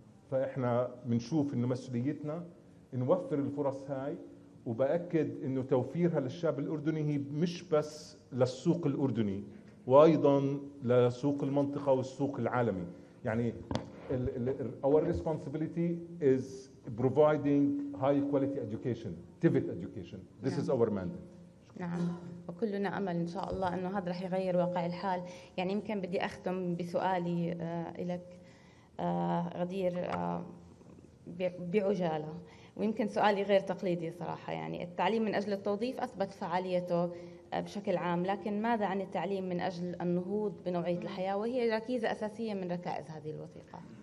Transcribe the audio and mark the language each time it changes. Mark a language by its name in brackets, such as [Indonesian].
[Arabic] فإحنا بنشوف إنه مسؤوليتنا نوفر الفرص هاي, وبأكد إنه توفيرها للشعب الأردني هي مش بس للسوق الأردني وأيضا لسوق المنطقة والسوق العالمي. يعني [English] our responsibility is providing high quality education, TVET education. This is our mandate. [Arabic] نعم, وكلنا أمل إن شاء الله إنه هذا رح يغير واقع الحال. يعني يمكن بدي أختم بسؤالي إليك غدير بعجالة, ويمكن سؤالي غير تقليدي صراحة. يعني التعليم من أجل التوظيف أثبت فعاليته بشكل عام, لكن ماذا عن التعليم من أجل النهوض بنوعية الحياة وهي ركيزة أساسية من ركائز هذه الوثيقة؟